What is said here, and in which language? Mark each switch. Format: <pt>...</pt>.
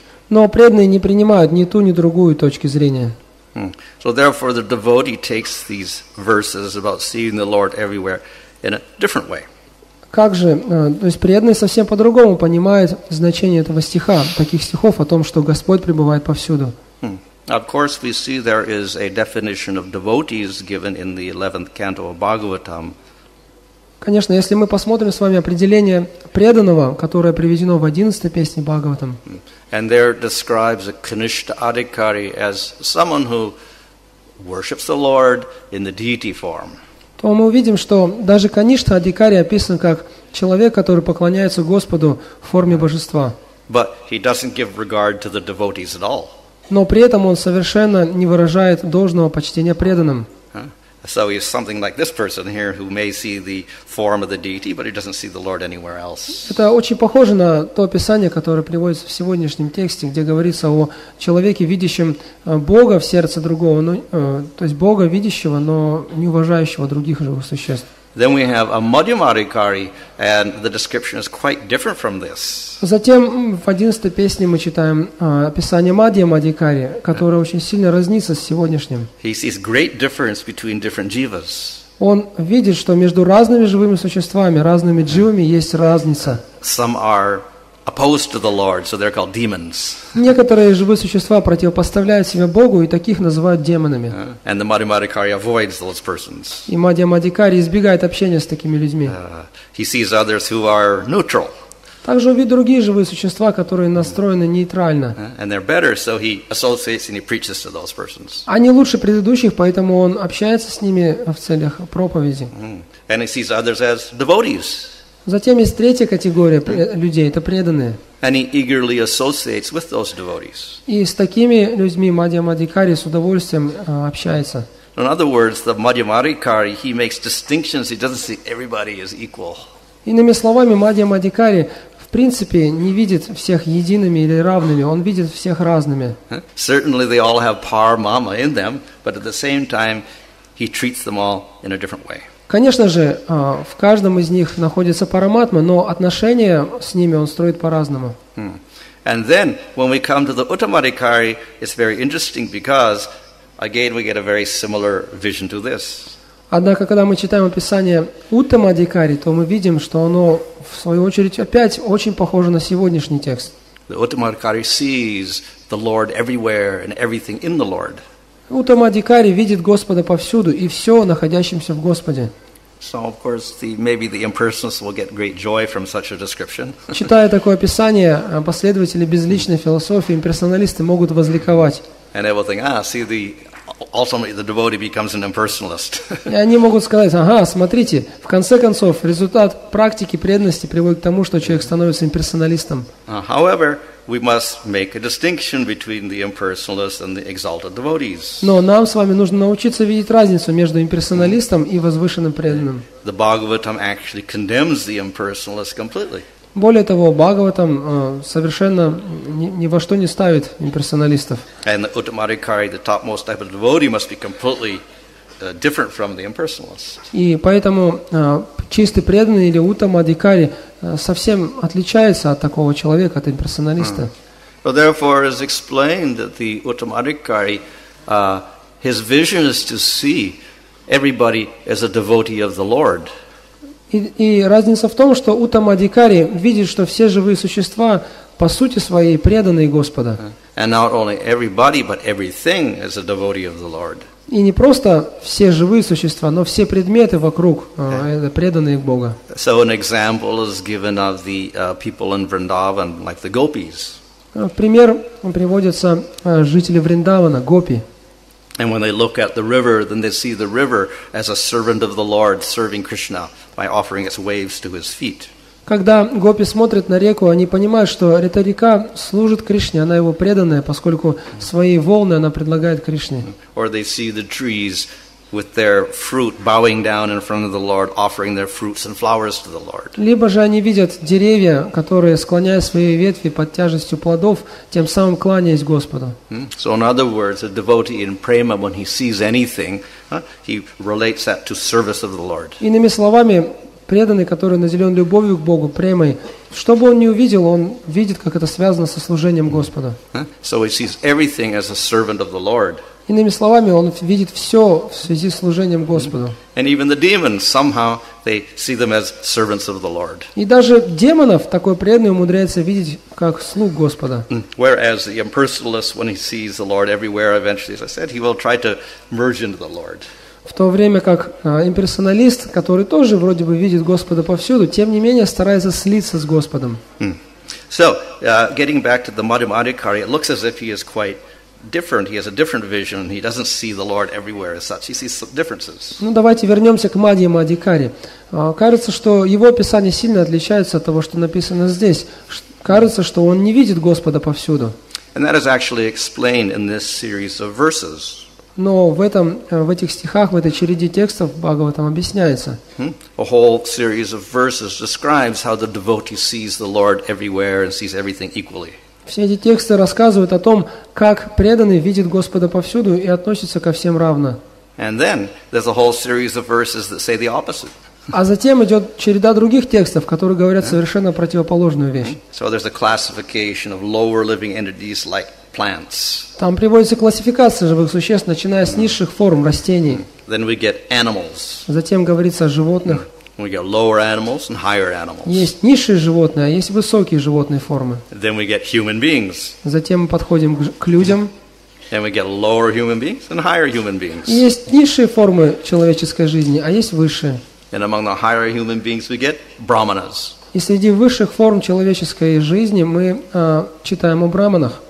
<ru>Но преданные не принимают ни ту ни другую точки зрения.</ru> <en>So therefore, the devotee takes these verses about seeing the Lord everywhere in a different way.</en> <ru>Как же, то есть преданный совсем по-другому понимает значение этого стиха, таких стихов о том, что Господь пребывает повсюду.</ru> <en>Of course, we see there is a definition of devotees given in the 11th canto of Bhagavatam.</en> <ru>Конечно, если мы посмотрим с вами определение преданного, которое приведено в 11-й песне Бхагаватам.</ru> <en>And there describes a Kanishta Adhikari as someone who worships the Lord in the deity form.</en> <ru>То мы увидим, что даже Каништа Адикари описан как человек, который поклоняется Господу в форме божества.</ru> <en>But he doesn't give regard to the devotees at all.</en> <ru>Но при этом он совершенно не выражает должного почтения преданным.</ru> <en>So he's something like this person here who may see the form of the deity, but he doesn't see the Lord anywhere else.</en> <ru>Это очень похоже на то описание, которое приводится в сегодняшнем тексте, где говорится о человеке, видящем Бога в сердце другого, то есть Бога видящего, но не уважающего других живых существ.</ru> <en>Then we have a Madhyamadhikari, and the description is quite different from this.</en> <ru>Затем в 11-й песне мы читаем описание Мадхьямадхикари, которое очень сильно разнится с сегодняшним.</ru> <en>He sees great difference between different jivas.</en> <ru>Он видит, что между разными живыми существами, разными дживами, есть разница.</ru> <en>Some are opposed to the Lord, so they're called demons.</en> <ru>Некоторые живые существа противопоставляют себя Богу, и таких называют демонами.</ru> <en>And the Madhyamadikari avoids those persons.</en> <ru>И Мадхьямадхикари избегает общения с такими людьми.</ru> <en>He sees others who are neutral.</en> <ru>Также он видит другие живые существа, которые настроены нейтрально.</ru> <en>And they're better, so he associates and he preaches to those persons.</en> <ru>Они лучше предыдущих, поэтому он общается с ними в целях проповеди.</ru> <en>And he sees others as devotees.</en> <ru>Затем есть третья категория людей, это преданные.</ru> <en>And he eagerly associates with those devotees.</en> <ru>И с такими людьми Мадхьямадхикари с удовольствием общается.</ru> <en>In other words, the Madhyamadhikari, he makes distinctions, he doesn't see everybody as equal.</en> <ru>Иными словами, Мадхьямадхикари в принципе не видит всех едиными или равными, он видит всех разными.</ru> <en>Certainly they all have paramama in them, but at the same time he treats them all in a different way.</en> <ru>Конечно же, в каждом из них находится параматма, но отношения с ними он строит по-разному.</ru> <en>And then when we come to the Uttamadhikari, it's very interesting because again we get a very similar vision to this.</en> <ru>Однако, когда мы читаем описание Уттамадхикари, то мы видим, что оно, в свою очередь, опять очень похоже на сегодняшний текст.</ru> <en>The Uttamadhikari sees the Lord everywhere and everything in the Lord.</en> <ru>Уттамадхикари видит Господа повсюду и все, находящимся в Господе.</ru> <en>So, of course, maybe the impersonalists will get great joy from such a description.</en> <ru>Читая такое описание, последователи безличной философии, имперсоналисты могут возликовать.</ru> <en>And they will think, see the... Ultimately, the devotee becomes an impersonalist.</en> <ru>И они могут сказать: ага, смотрите, в конце концов, результат практики преданности приводит к тому, что человек становится имперсоналистом.</ru> <en>However, we must make a distinction between the impersonalist and the exalted devotees.</en> <ru>Но нам с вами нужно научиться видеть разницу между имперсоналистом и возвышенным преданным.</ru> <en>The Bhagavatam actually condemns the impersonalist completely.</en> <ru>Более того, Бхагаватам совершенно ни во что не ставит имперсоналистов.</ru> <en>And the Uttamadhikari, the topmost type of devotee, must be completely different from the impersonalist.</en> <ru>И поэтому чистый преданный или Уттамадхикари совсем отличается от такого человека, от имперсоналиста.</ru> <en>So therefore, it is explained that the Uttamadhikari, his vision is to see everybody as a devotee of the Lord.</en> <ru>И разница в том, что Уттамадхикари видит, что все живые существа по сути своей преданные Господа. И не просто все живые существа, но все предметы вокруг это преданные Бога.</ru> <en>So an example is given of the people in Vrindavan, like the gopis.</en> <ru>Пример приводится жители Вриндавана, гопи.</ru> <en>And when they look at the river, then they see the river as a servant of the Lord serving Krishna by offering its waves to his feet.</en> <ru>Когда гопи смотрят на реку, они понимают, что эта река служит Кришне, она его преданная, поскольку свои волны она предлагает Кришне.</ru> <en>Or they see the trees with their fruit bowing down in front of the Lord, offering their fruits and flowers to the Lord.</en> <ru>Либо же они видят деревья, которые склоняют свои ветви под тяжестью плодов, тем самым кланяясь Господу.</ru> <en>So in other words, a devotee in prema, when he sees anything, he relates that to service of the Lord.</en> <ru>Иными словами, преданный, который наделен любовью к Богу, премой, что бы он ни увидел, он видит, как это связано со служением Господа.</ru> <en>So he sees everything as a servant of the Lord.</en> <ru>Иными словами, он видит все в связи с служением Господу.</ru> <en>And even the demons, somehow, they see them as servants of the Lord.</en> <ru>И даже демонов такой преданный умудряется видеть как слуг Господа.</ru> <en>Whereas the impersonalist, when he sees the Lord everywhere, eventually, as I said, he will try to merge into the Lord.</en> <ru>В то время как имперсоналист, который тоже вроде бы видит Господа повсюду, тем не менее старается слиться с Господом.</ru> <en>So, getting back to the Madhyamadhikari, it looks as if he is quite different. He has a different vision. He doesn't see the Lord everywhere as such. He sees differences.</en> <ru>Ну давайте вернемся к Мадхьямадхикари. Кажется, что его описание сильно отличается от того, что написано здесь. Кажется, что он не видит Господа повсюду.</ru> <en>And that is actually explained in this series of verses.</en> <ru>Но в этих стихах, в этой череде текстов Бхагаватам объясняется.</ru> <en>A whole series of verses describes how the devotee sees the Lord everywhere and sees everything equally.</en> <ru>Все эти тексты рассказывают о том, как преданный видит Господа повсюду и относится ко всем равно.</ru> <en>And then there's a whole series of verses that say the opposite.</en> <ru>А затем идет череда других текстов, которые говорят совершенно противоположную вещь.</ru> <en>So there's a classification of lower living entities like plants.</en> <ru>Там приводится классификация живых существ, начиная с низших форм растений.</ru> <en>then we get animals.</en> <ru>Затем говорится о животных.</ru> <en>We get lower animals and higher animals.</en> <ru>Есть низшие животные, а есть высокие животные формы.</ru> <en>Then we get human beings.</en> <ru>Затем мы подходим к людям.</ru> <en>Then we get lower human beings and higher human beings.</en> <ru>Есть низшие формы человеческой жизни, а есть высшие.</ru> <en>And among the higher human beings we get brahmanas.</en> <ru>И среди высших форм человеческой жизни мы читаем о браманах.</ru>